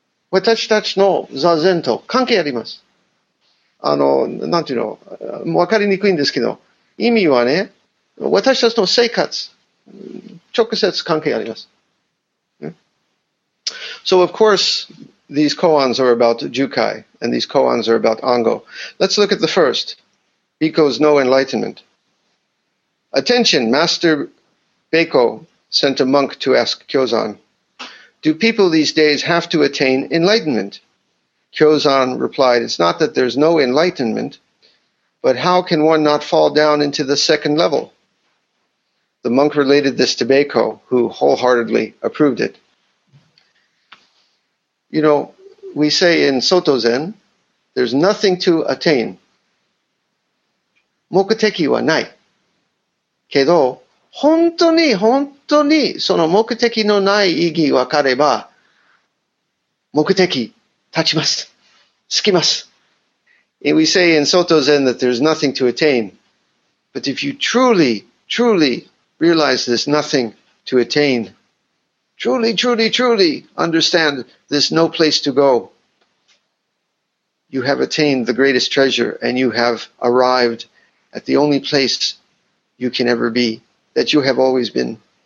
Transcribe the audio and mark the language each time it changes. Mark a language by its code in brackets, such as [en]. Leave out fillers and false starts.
[ja] 私たちの座禅と関係あります。あの、なんていうの、わかりにくいんですけど、意味はね、私たちの生活、直接関係あります。 [en] So of course, these koans are about Jukai, and these koans are about Ango. Let's look at the first. Bhikkhus no enlightenment. Attention, Master Bhikkhu sent a monk to ask Kyozan, do people these days have to attain enlightenment? Kyozan replied, it's not that there's no enlightenment, but how can one not fall down into the second level? The monk related this to Bhikkhu, who wholeheartedly approved it. You know, we say in Soto Zen, there's nothing to attain. [ja] 目的はない。けど、本当に本当にその目的のない意義分かれば目的立ちます。つきます。 [en] And we say in Soto Zen that there's nothing to attain. But if you truly, truly realize there's nothing to attain, truly, truly, truly understand there's no place to go, you have attained the greatest treasure and you have arrived at the only place you can ever be, that you have always been.